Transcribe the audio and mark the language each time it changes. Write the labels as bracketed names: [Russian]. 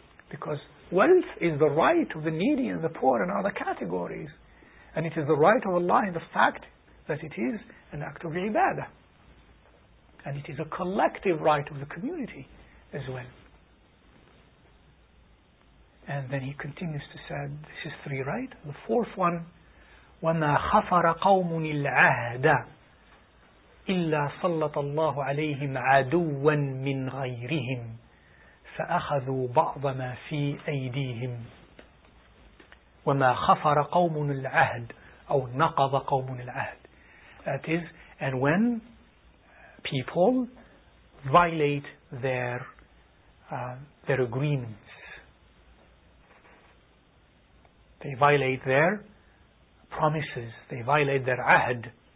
[English] Because wealth is the right of the needy and the poor and other categories. And it is the right of Allah in the fact that it is an act of ibadah. And it is a collective right of the community as well. And then he continues to say, this is three, right? The fourth one, [Arabic] وَمَا خَفَرَ قَوْمٌ الْعَهْدَ إِلَّا صَلَّطَ اللَّهُ عَلَيْهِمْ عَدُوًّا مِّنْ غَيْرِهِمْ فَأَخَذُوا بَعْضَ مَا فِي أَيْدِيهِمْ وَمَا خَفَرَ قَوْمٌ الْعَهْدِ أَوْ نَقَضَ قَوْمٌ الْعَهْدِ. [English] That is, and when people violate their agreements. They violate their promises. They violate their ahd.